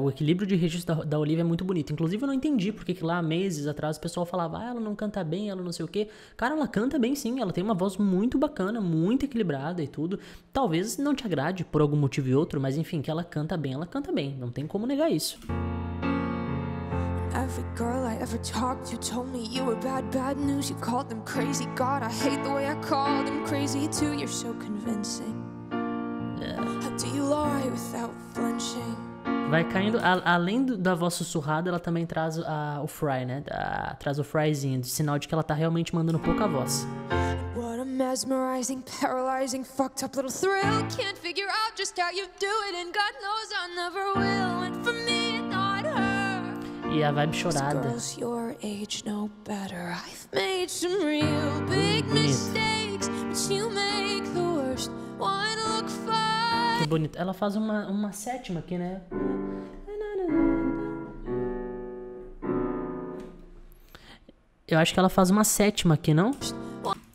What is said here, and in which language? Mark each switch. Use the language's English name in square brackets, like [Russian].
[Portuguese] O equilíbrio de registro da Olivia é muito bonito. Inclusive, eu não entendi porque que lá, meses atrás, o pessoal falava, ah, ela não canta bem, ela não sei o quê. Cara, ela canta bem sim, ela tem uma voz muito bacana, muito equilibrada e tudo. Talvez não te agrade por algum motivo e outro, mas enfim, que ela canta bem, não tem como negar isso. [English] Every girl I ever talked to told me you were bad, bad news. You called them crazy. God, I hate the way I called them crazy too. You're so convincing. How do you lie without flinching? [Portuguese] Vai caindo, além da voz sussurrada, ela também traz o fry, né? Traz o fryzinho, sinal de que ela tá realmente mandando pouca voz. [English] What a mesmerizing, paralyzing, fucked up little thrill. Can't figure out just how you do it, and God knows I never will. And for me, not her. [Portuguese] E a vibe chorada. [English] Girls your age know better. I've made some real big mistakes, but you make the worst one look fine. [Portuguese] Bonito. Ela faz uma sétima aqui, né? Eu acho que ela faz uma sétima aqui, não? Aqui, ó.